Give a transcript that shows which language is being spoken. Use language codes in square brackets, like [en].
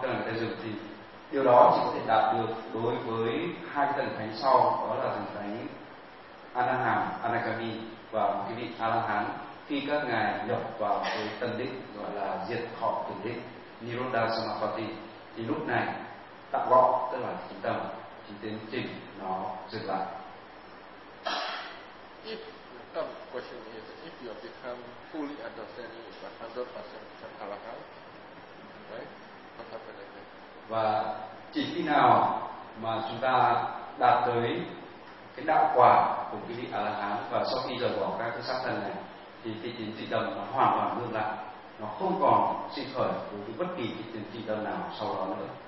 [vi] Tức là cái dừng thì điều đó chỉ có thể đạt được đối với hai cái tầng thánh sau, đó là tầng thánh Anaham, Anagami và một cái vị A-la-hán. Khi các ngài nhập vào cái tân định gọi là diệt họ tưởng định Nirodha Samapatti, thì lúc này tạo gọi tức là chính tâm, chính tiến trình nó dừng lại. [en] If the tâm question is, if you become fully understanding is 100% become arahant, right? What happened like that? [vi] Và chỉ khi nào mà chúng ta đạt tới cái đạo quả của cái vị arahant và sau khi rời bỏ các cái sắc thân này, thì tiến trình tâm nó hoàn toàn ngưng lại, nó không còn sinh khởi đối với bất kỳ cái tiến trình tâm nào sau đó nữa.